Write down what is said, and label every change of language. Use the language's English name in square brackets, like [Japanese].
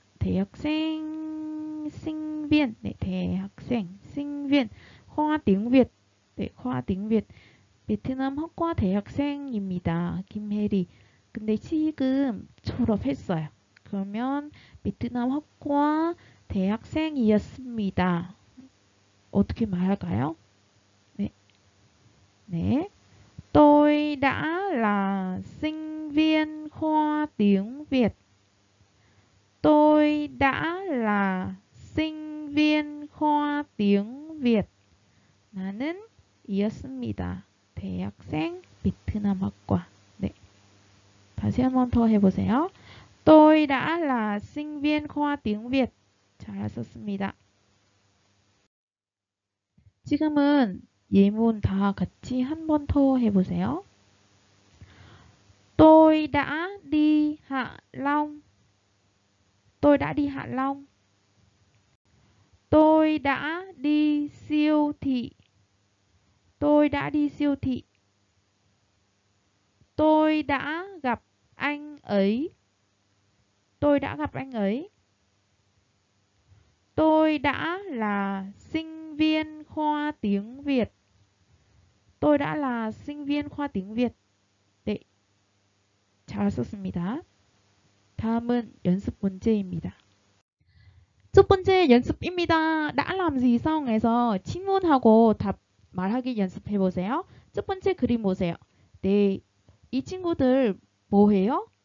[Korean] 대학생 싱빈, 네, 대학생 싱빈, 화딩빈, 네, 화딩빈, 베트남 학과 대학생입니다. 김혜리. 근데 지금 졸업했어요. 그러면 베트남 학과 대학생이었습니다. 어떻게 말할까요? 네. 네. [Vietnamese] Tôi đã là sinh viên khoa tiếng Việt. Tôi đã là sinh viên khoa tiếng Việt. [Korean] 나는 이었습니다. 대학생 베트남 학과. 네. 다시 한번 더 해보세요. [Vietnamese] Tôi đã là sinh viên khoa tiếng Việt. [Korean] 잘하셨습니다. 지금은 예문 다 같이 한 번 더 해보세요. [Vietnamese] Tôi đã đi Hạ Long. Tôi đã đi Hạ Long. Tôi đã đi siêu thị. Tôi đã đi siêu thị. Tôi đã gặp anh ấy. Tôi đã gặp anh ấy. Tôi đã là sinh viên khoa tiếng Việt. Tôi đã là sinh viên khoa tiếng Việt. [Korean] 네, 잘 썼습니다. 다음은 연습 문제입니다. 첫 번째 연습입니다. 나람지 상황에서 질문하고 답 말하기 연습해 보세요. 첫 번째 그림 보세요. 네, 이 친구들 뭐 해요?